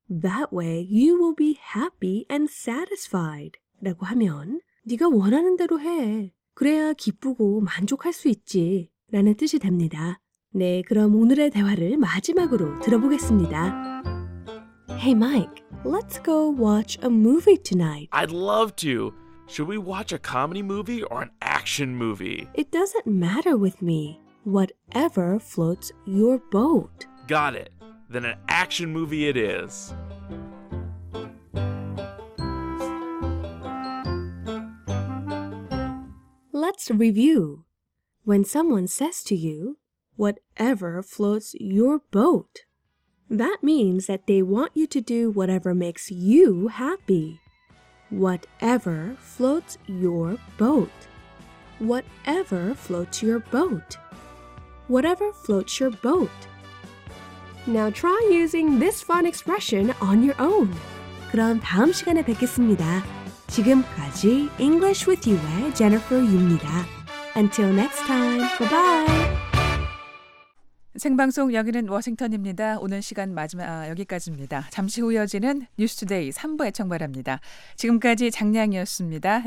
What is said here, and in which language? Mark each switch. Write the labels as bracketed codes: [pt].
[en] That way you will be happy and satisfied. [ko] 라고 하면 네가 원하는 대로 해. 그래야 기쁘고 만족할 수 있지. 라는 뜻이 됩니다. 네, 그럼 오늘의 대화를 마지막으로 들어보겠습니다. [en] Hey Mike, let's go watch a movie tonight. I'd love to. Should we watch a comedy movie or an action movie? It doesn't matter with me. Whatever floats your boat. Got it. Then an action movie it is. Let's review. When someone says to you, whatever floats your boat, that means that they want you to do whatever makes you happy. Whatever floats your boat. Whatever floats your boat. Whatever floats your boat. Now try using this fun expression on your own. [ko] 그럼 다음 시간에 뵙겠습니다. 지금까지 English with You의 Jennifer입니다. [en] Until next time, bye-bye. [ko] 생방송 여기는 워싱턴입니다. 오늘 시간 마지막 여기까지입니다. 잠시 후 이어지는 뉴스 투데이 3부에 청바랍니다. 지금까지 장량이었습니다.